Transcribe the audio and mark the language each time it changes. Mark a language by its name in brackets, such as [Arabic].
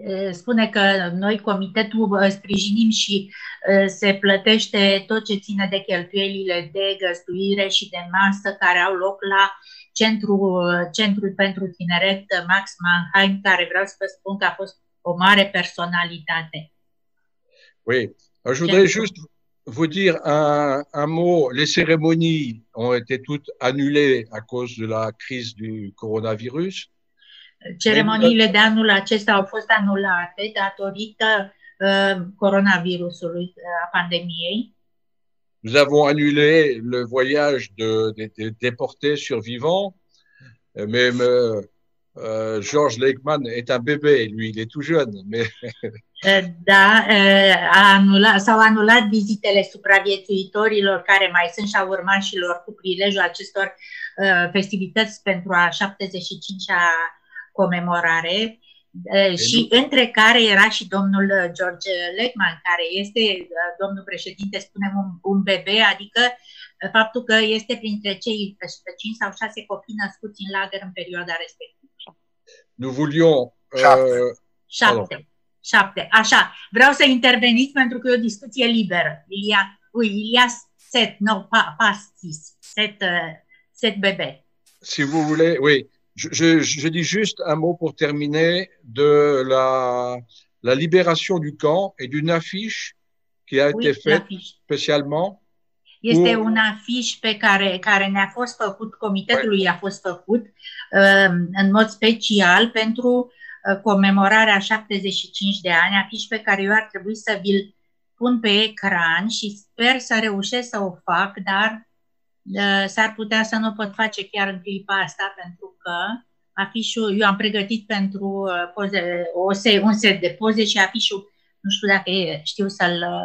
[Romanian] Spune că noi comitetul sprijinim și se plătește tot ce ține de cheltuielile de găstuire și de masă care au loc la centrul pentru tineret Max Mannheim, care vreau să vă spun că a fost o mare personalitate. [French] Oui, je voudrais juste vous dire un mot. Les cérémonies ont été toutes annulées à cause de la crise du coronavirus. [Romanian] Ceremoniile de anul acesta au fost anulate datorită coronavirusului, a pandemiei. [French] Nous avons annulé le voyage de déportés survivants. Même George Legman est un bébé, lui il est tout jeune, mais [Romanian] da, s-au anulat vizitele supraviețuitorilor care mai sunt și a urmașilor cu prilejul acestor festivități pentru a 75-a comemorare și între care era și domnul George Legman, care este, domnul președinte, spunem, un bebe, adică faptul că este printre cei 5 sau 6 copii născuți în lagăr în perioada respectivă. [French] Nous voulions 7. 7. [Romanian] Așa, vreau să interveniți pentru că e o discuție liberă. Ilias set, no, pastis, set bebe. [French] Si vous voulez, oui. Je dis juste un mot pour terminer de la libération du camp et d'une affiche qui a été faite spécialement. [Romanian] Este [French] une affiche [Romanian] pe care ne-a fost făcut comitetului, a fost făcut în mod special pentru comemorarea 75 de ani, afiș pe care eu ar trebui să vi-l pun pe ecran și sper să reușesc să o fac, dar s-ar putea să nu pot face chiar în clipa asta, pentru că afișul, eu am pregătit pentru poze, un set de poze și afișul, nu știu dacă știu să-l...